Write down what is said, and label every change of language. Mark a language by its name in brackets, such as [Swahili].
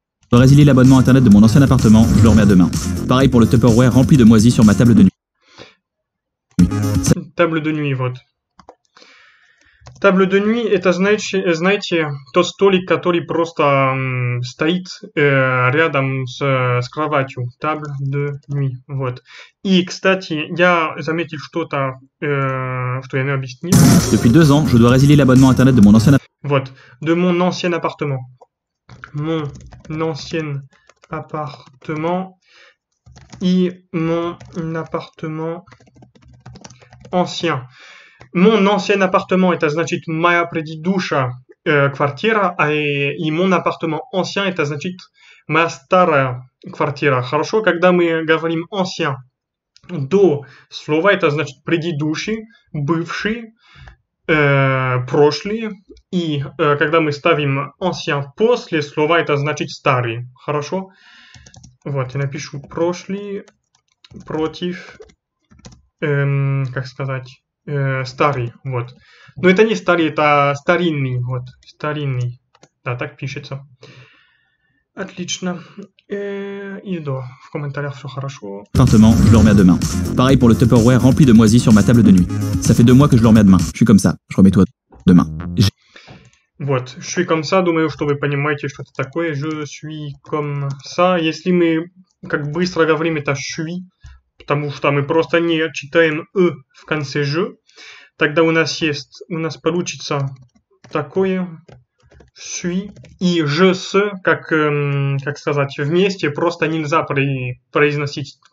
[French] Je dois résilier l'abonnement internet de mon ancien appartement, je le remets à demain. Pareil pour le Tupperware rempli de moisies sur ma table de nuit. Table de nuit, вот. Table de nuit, [Russian] это значит, знаете, тот столик, который просто стоит рядом с кроватью. [French] Table de nuit, вот. [Russian] И, кстати, я заметил что-то, что я не объяснил. [French] Depuis 2 ans, je dois résilier l'abonnement internet de mon ancien appartement. [Russian] Вот. [French] De mon ancien appartement. Mon ancien appartement et mon appartement ancien. Mon ancien appartement est à [Russian] значит моя предыдущая квартира, [French] et mon appartement ancien est à значит [Russian] Моя старая квартира. Хорошо, когда мы говорим ancien. До слова это значит предыдущий, бывший, прошлый. И когда мы ставим ancien после слова, это значит старый. Хорошо? Вот, я напишу прошлый против, как сказать, старый. Вот. Но это не старый, это старинный. Вот, старинный. Да, так пишется. Отлично. Иду. В комментариях все хорошо. [French] Lentement, je le remets à deux mains. Pareil pour le Tupperware rempli de moisi sur ma table de nuit. Ça fait 2 mois que je le remets à deux mains. Je suis comme ça. Je remets tout à deux mains. [Russian] Вот, [French] je suis comme ça, [Russian] думаю, что вы понимаете, что это такое. [French] Je suis comme ça. [Russian] Если мы как быстро говорим, это suis, потому что мы просто не читаем e в конце je, тогда у нас есть, у нас получится такое suis и je suis, как сказать, вместе просто нельзя произносить.